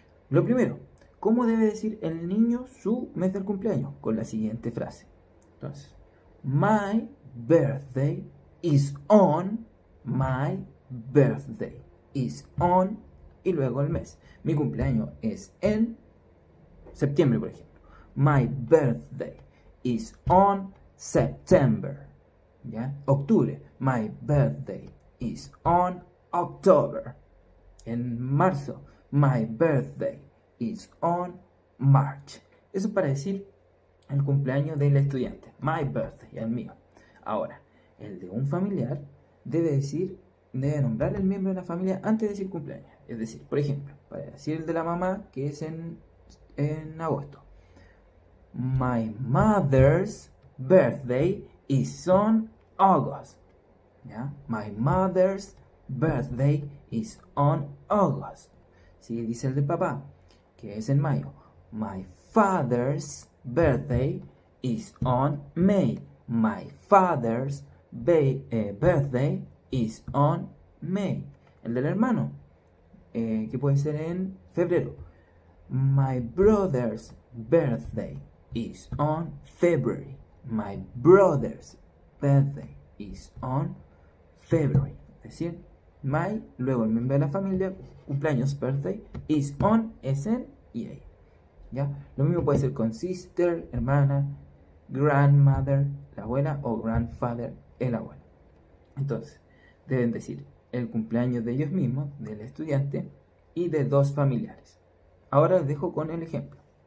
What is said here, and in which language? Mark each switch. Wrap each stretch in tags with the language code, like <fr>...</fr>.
<es>Lo primero, ¿cómo debe decir el niño su mes del cumpleaños? Con la siguiente frase. Entonces,</es> <en>my birthday is on,</en> <es>my birthday is on, y luego el mes. Mi cumpleaños es en septiembre, por ejemplo.</es> <en>My birthday is on September.</en> <es>¿Ya? Octubre.</es> <en>My birthday is on October.</en> <es>En marzo.</es> <en>My birthday is on March.</en> <es>Eso es para decir el cumpleaños del estudiante.</es> <en>My birthday,</en> <es>el mío. Ahora, el de un familiar debe nombrar el miembro de la familia antes de decir cumpleaños. Es decir, por ejemplo, para decir el de la mamá, que es en agosto.</es> <en>My mother's birthday is on August. ¿Ya? My mother's birthday is on August.</en> <es>Si dice el de papá, que es en mayo.</es> <en>My father's birthday is on May. My father's birthday is on May.</en> <es>El del hermano, que puede ser en febrero.</es> <en>My brother's birthday is on February. My brother's birthday is on February.</en> <es>Es decir, my, luego el miembro de la familia, cumpleaños, birthday,</es> <en>is on,</en> <es>es en. Y ahí, ¿ya? Lo mismo puede ser con sister, hermana, grandmother, la abuela, o grandfather, el abuelo. Entonces, deben decir el cumpleaños de ellos mismos, del estudiante y de dos familiares. Ahora les dejo con el ejemplo.</es>